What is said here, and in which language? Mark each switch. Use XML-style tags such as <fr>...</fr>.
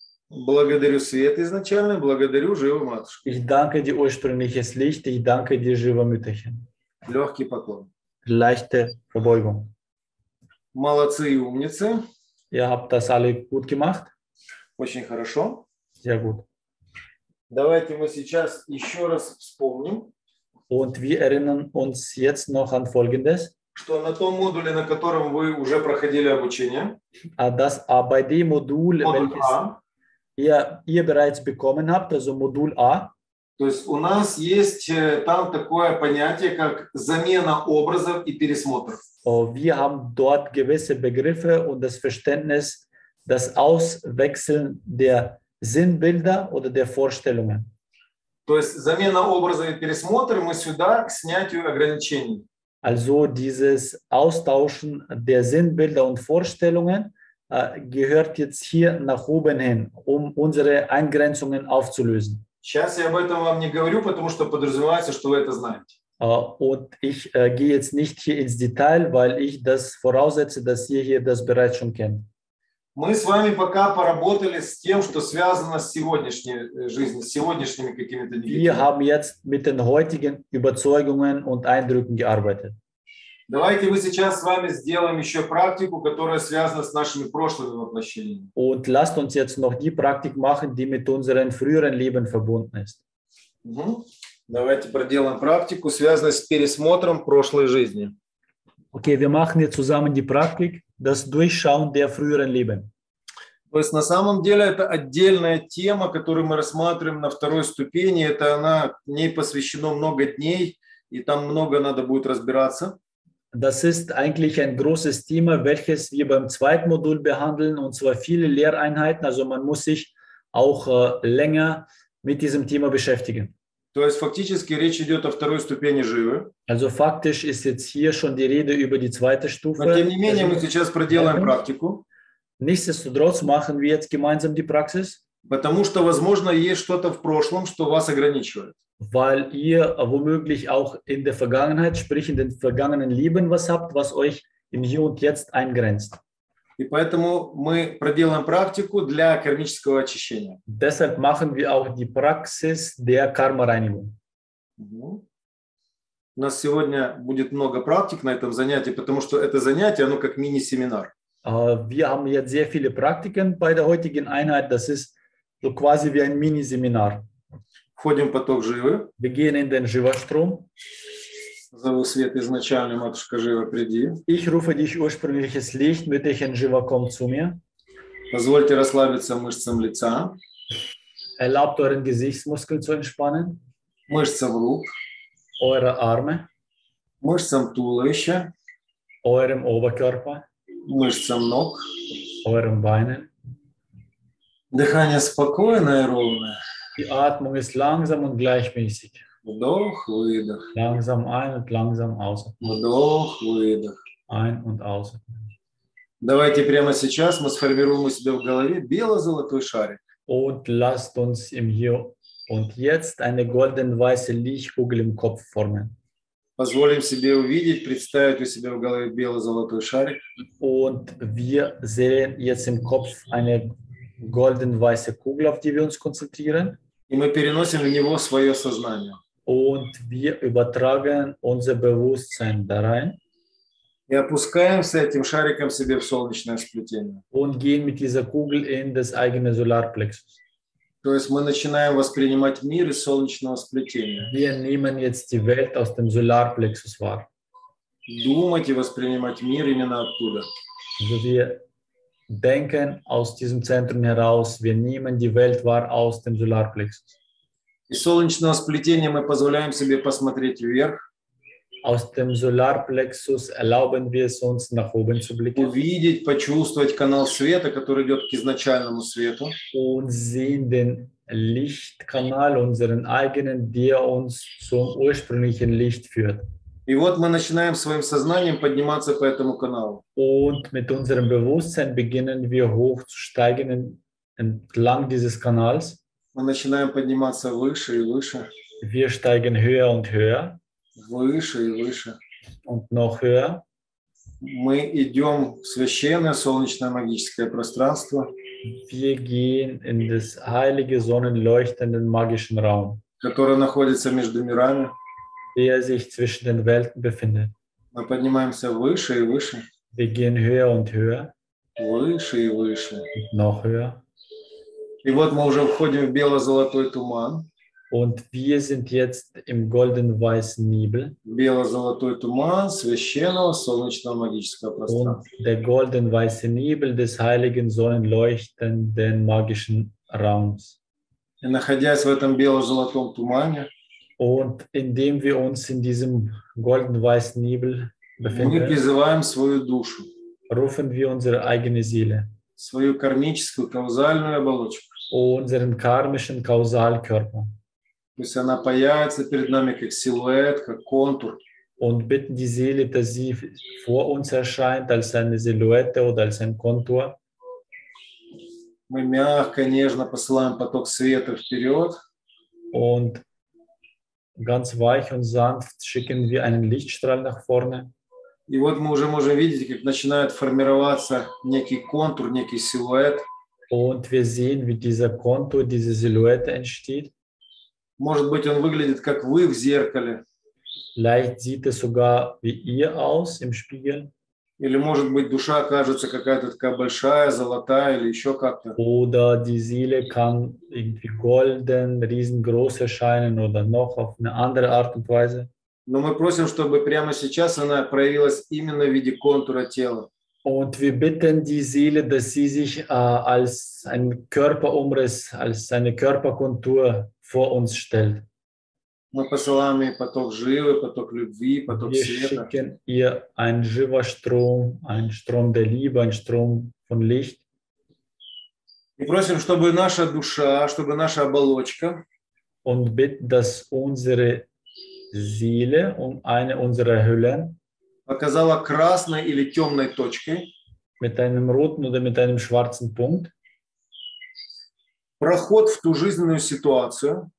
<ru>Благодарю свет изначально, благодарю живую матушку.</ru> <de>Ich danke dir ursprüngliches Licht, ich danke dir, живо Mütterchen.</de> <ru>Легкий поклон.</ru> <de>Leichte Verbeugung.</de> <ru>Молодцы и умницы.</ru> <de>Ihr habt das alle gut gemacht.</de> <ru>Очень хорошо.</ru> <de>Sehr gut.</de> <ru>Давайте мы сейчас еще раз вспомним.</ru> <de>Und wir erinnern uns jetzt noch an Folgendes.</de> <ru>Что на том модуле, на котором вы уже проходили обучение.</ru> <de>Das bei dem Modul, welches ihr bereits bekommen habt, also Modul A.</de> <ru>То есть у нас есть там такое понятие, как замена образов и пересмотр.</ru> <de>Wir haben dort gewisse Begriffe und das Verständnis, das Auswechseln der Sinnbilder oder der Vorstellungen.</de> <ru>То есть замена образов и пересмотр мы сюда к снятию ограничений.</ru> <de>Also dieses Austauschen der Sinnbilder und Vorstellungen gehört jetzt hier nach oben hin, um unsere Eingrenzungen aufzulösen.</de> <ru>Сейчас я об этом вам не говорю, потому что подразумевается, что вы это знаете.</ru> <de>Und ich gehe jetzt nicht hier ins Detail, weil ich das voraussetze, dass ihr hier das bereits schon kennt.</de> <ru>Мы с вами пока поработали с тем, что связано с сегодняшней жизнью, с сегодняшними какими-то негативами.</ru> <de>Wir haben jetzt mit den heutigen Überzeugungen und Eindrücken gearbeitet.</de> <ru>Давайте мы сейчас с вами сделаем еще практику, которая связана с нашими прошлыми воплощениями.</ru> <de>Und lasst uns jetzt noch die Praktik machen, die mit unseren früheren Leben verbunden ist.</de> <ru>Давайте проделаем практику, связанную с пересмотром прошлой жизни.</ru> <de>Okay, wir machen jetzt zusammen die Praktik, das Durchschauen der früheren Leben.</de> <ru>То есть на самом деле это отдельная тема, которую мы рассматриваем на второй ступени. Это она, ней посвящено много дней, и там много надо будет разбираться.</ru> <de>Das ist eigentlich ein großes Thema, welches wir beim zweiten Modul behandeln, und zwar viele Lehreinheiten, also man muss sich auch länger mit diesem Thema beschäftigen.</de> <ru>То есть фактически речь идет о второй ступени живы.</ru> <de>Also faktisch ist jetzt hier schon die Rede über die zweite Stufe.</de> <ru>Но тем не менее мы сейчас проделаем практику.</ru> <de>Nichtsdestotrotz machen wir jetzt gemeinsam die Praxis.</de> <ru>Потому что, возможно, есть что-то в прошлом, что вас ограничивает.</ru> <de>Weil ihr womöglich auch in der Vergangenheit, sprich in den vergangenen Leben, was habt, was euch im Hier und Jetzt eingrenzt.</de> <ru>И поэтому мы проделаем практику для кармического очищения.</ru> <de>Deshalb machen wir auch die Praxis der Karma-Reinigung.</de> <ru>У нас сегодня будет много практик на этом занятии, потому что это занятие, оно как мини-семинар.</ru> <de>Wir haben jetzt sehr viele Praktiken bei der heutigen Einheit, das ist so quasi wie ein Mini-Seminar.</de> <ru>Входим в поток живы.</ru> <de>Wir gehen in den Живострум.</de> <ru>Зову свет изначально, матушка жива, приди.</ru> <de>Ich rufe dich ursprüngliches Licht, Mütterchen Jiva, komm zu mir.</de> <ru>Позвольте расслабиться мышцам лица.</ru> <de>Erlaubt euren Gesichtsmuskeln zu entspannen.</de> <ru>Мышцам рук.</ru> <de>Eure Arme.</de> <ru>Мышцам туловища.</ru> <de>Eurem Oberkörper.</de> <ru>Мышцам ног.</ru> <de>Eurem Beinen.</de> <ru>Дыхание спокойное и ровное.</ru> <de>Die Atmung ist langsam und gleichmäßig.</de> <ru>Вдох, выдох.</ru> <de>Langsam ein und langsam aus.</de> <ru>Вдох, выдох.</ru> <de>Ein und aus.</de> <ru>Давайте прямо сейчас мы сформируем у себя в голове бело-золотой шарик.</ru> <de>Und lasst uns im Hier und Jetzt eine golden-weiße Lichtkugel im Kopf formen.</de> <ru>Позволим себе увидеть, представить у себя в голове бело-золотой шарик.</ru> <de>Und wir sehen jetzt im Kopf eine golden-weiße Kugel, auf die wir uns konzentrieren.</de> <ru>И мы переносим в него свое сознание.</ru> <de>Und wir übertragen unser Bewusstsein da rein.</de> <ru>И опускаемся этим шариком себе в солнечное сплетение.</ru> <de>Und gehen mit dieser Kugel in das eigene Solarplexus.</de> <ru>То есть мы начинаем воспринимать мир из солнечного сплетения.</ru> <de>Wir nehmen jetzt die Welt aus dem Solarplexus wahr.</de> <ru>думать и воспринимать мир именно оттуда.</ru> <de>Also wir denken aus diesem Zentrum heraus, wir nehmen die Welt wahr aus dem Solarplexus.</de> <ru>Из солнечного сплетения мы позволяем себе посмотреть вверх.</ru> <de>Aus dem Solarplexus erlauben wir es uns nach oben zu blicken.</de> <ru>Увидеть, почувствовать канал света, который идет к изначальному свету.</ru> <de>Und sehen den Lichtkanal, unseren eigenen, der uns zum ursprünglichen Licht führt.</de> <ru>И вот мы начинаем своим сознанием подниматься по этому каналу.</ru> <de>Und mit unserem Bewusstsein beginnen wir hochzusteigen entlang dieses Kanals.</de> <ru>Мы начинаем подниматься выше и выше.</ru> <de>Wir steigen höher und höher.</de> <ru>Выше и выше.</ru> <de>Und noch höher.</de> <ru>Мы идем в священное солнечное магическое пространство.</ru> <de>Wir gehen in das heilige sonnenleuchtenden magischen Raum.</de> <ru>Который находится между мирами.</ru> <de>Der sich zwischen den Welten befindet.</de> <ru>Мы поднимаемся выше и выше.</ru> <de>Wir gehen höher und höher.</de> <ru>Выше и выше.</ru> <de>Und noch höher.</de> <ru>И вот мы уже входим в бело-золотой туман.</ru> <de>Und wir sind jetzt im golden-weißen Nebel.</de> <ru>Бело-золотой туман священного солнечного магического пространства.</ru> <de>Und der golden-weiße Nebel des heiligen sonnenleuchtenden magischen Raums.</de> <ru>И находясь в этом бело-золотом тумане,</ru> <de>und indem wir uns in diesem golden-weißen Nebel befinden,</de> <ru>мы призываем свою душу,</ru> <de>rufen wir unsere eigene Seele,</de> <ru>свою кармическую каузальную оболочку,</ru> <de>unseren karmischen Kausalkörper.</de> <ru>Пусть она появится перед нами как силуэт, как контур.</ru> <de>Und bitten die Seele, dass sie vor uns erscheint als eine Silhouette oder als ein Kontur.</de> <ru>Мы мягко, нежно посылаем поток света вперед.</ru> <de>Und ganz weich und sanft schicken wir einen Lichtstrahl nach vorne.</de> <ru>И вот мы уже можем видеть, как начинает формироваться некий контур, некий силуэт.</ru> <de>Und wir sehen, wie dieser Kontur, diese Silhouette entsteht.</de> <ru>Может быть, он выглядит как вы в зеркале.</ru> <de>Vielleicht sieht es sogar wie ihr aus im Spiegel.</de> <ru>Или может быть, душа кажется какая-то такая большая, золотая или еще как-то.</ru> <de>Oder die Seele kann irgendwie golden, riesengroß erscheinen oder noch auf eine andere Art und Weise.</de> <ru>Но мы просим, чтобы прямо сейчас она проявилась именно в виде контура тела.</ru> <de>Und wir bitten die Seele, dass sie sich als ein Körperumriss, als eine Körperkontur vor uns stellt.</de> <ru>Мы посылаем ей поток живы, поток любви, поток света.</ru> <de>schicken ihr einen Jiva-Strom, einen Strom der Liebe, einen Strom von Licht.</de> <ru>И просим, чтобы наша душа, чтобы наша оболочка,</ru> <de>und bitten, dass unsere Seele und eine unserer Hüllen</de> <ru>показала красной или темной точкой,</ru> <de>mit einem roten oder mit einem schwarzen Punkt,</de> <ru>проход в ту жизненную ситуацию,</ru>